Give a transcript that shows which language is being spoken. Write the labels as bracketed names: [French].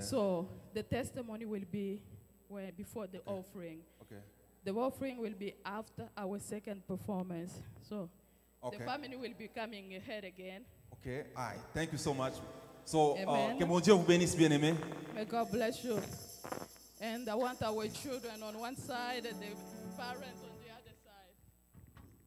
[English] So the testimony will be before the offering. Okay. The offering will be after our second performance. So the family will be coming ahead again. Okay. All right. Thank you so much. [French] So, que mon Dieu vous bénisse, bien-aimé. [English] May God bless you. And I want our children on one side and the parents on the other side.